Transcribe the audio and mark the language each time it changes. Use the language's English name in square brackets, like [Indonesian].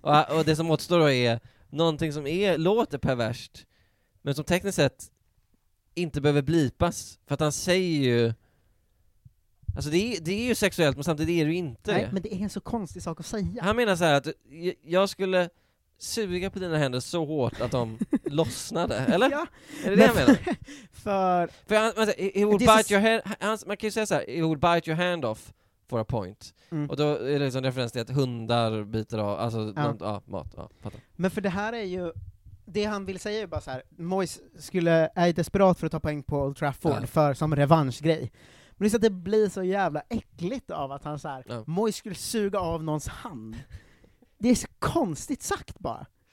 [Swedish] och det som återstår då är någonting som låter perverst, men som tekniskt sett inte behöver blipas. För att han säger ju... Alltså det är ju sexuellt, men samtidigt är det ju inte. Nej, det. Men det är en så konstig sak att säga. Han menar så här att jag skulle suga på dina händer så hårt att de lossnade, eller? Ja. Är det jag menar? För han, [English] he would bite your hand, [Swedish] man kan ju säga så här, [English] he would bite your hand off for a point. [Swedish] Mm. Och då är det liksom referens till att hundar biter av, alltså mat. Men för det här är ju, det han vill säga är bara så här, Moyes skulle, är desperat för att ta poäng på Old Trafford för som revanschgrej. Men det är så att det blir så jävla äckligt av att han så här, Moyes skulle suga av någons hand. Det är så konstigt sagt bara.